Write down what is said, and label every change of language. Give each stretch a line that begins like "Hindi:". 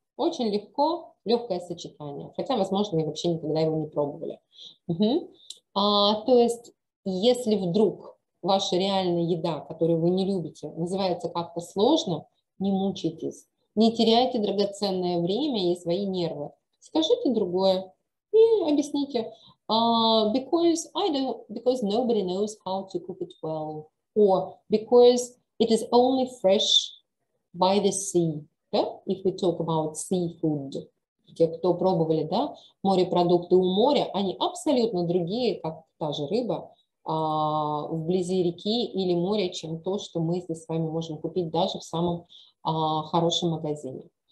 Russian: Очень легко, легкое сочетание. Хотя, возможно, вы вообще никогда его не пробовали. Угу. То есть, если вдруг ваша реальная еда, которую вы не любите, называется как-то сложно, не мучайтесь, не теряйте драгоценное время и свои нервы. Скажите другое и объясните.
English: Because nobody knows how to cook it well. Or because it is only fresh by the sea.
Russian: Да?
English: If we talk about seafood.
Russian: Те, кто пробовали, да, морепродукты у моря, они абсолютно другие, как та же рыба, вблизи реки или моря, чем то, что мы здесь с вами можем купить даже в самом хорошем магазине.